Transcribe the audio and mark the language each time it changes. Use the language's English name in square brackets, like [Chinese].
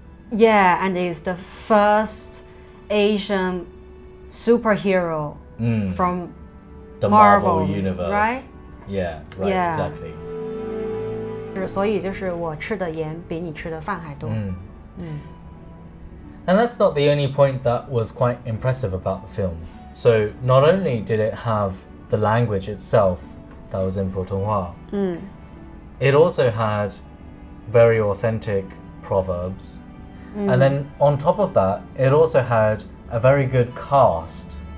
[English] Yeah, and it's the first Asian superhero from the Marvel universe, right? Yeah, right, yeah. Exactly. [Chinese] 所以就是我吃的盐比你吃的饭还多。 [English] And that's not the only point that was quite impressive about the film. So not only did it have the language itself that was in 普通话, it also had very authentic proverbs. And then on top of that, it also had a very good cast.